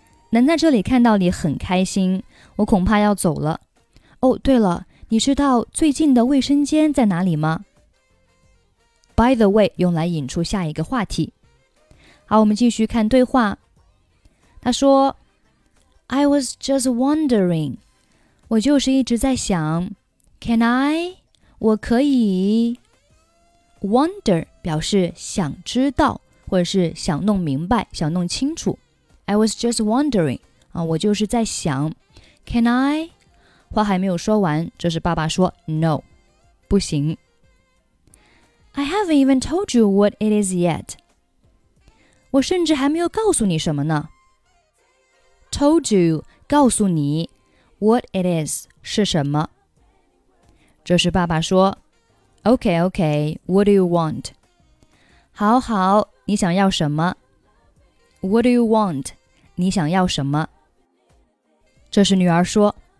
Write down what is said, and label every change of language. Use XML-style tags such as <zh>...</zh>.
<zh>能在这里看到你很开心，我恐怕要走了。哦，对了，你知道最近的卫生间在哪里吗？ By the way, 用来引出下一个话题。好，我们继续看对话。他说</zh> <en>I was just wondering.</en> <zh>我就是一直在想</zh> <en>Can I?</en> <zh>我可以 Wonder 表示想知道或者是想弄明白想弄清楚。</zh> <en>I was just wondering.</en> <zh>我就是在想</zh> <en>Can I?</en> <zh>话还没有说完，这是爸爸说 No, 不行。</zh> <en>I haven't even told you what it is yet.</en> <zh>我甚至还没有告诉你什么呢。</zh> <en>Told you,</en> <zh>告诉你。</zh> <en>What it is,</en> <zh>是什么。这时爸爸说</zh> <en>Okay, what do you want?</en> <zh>好好，你想要什么。</zh> <en>What do you want?</en> <zh>你想要什么。这时女儿说</zh>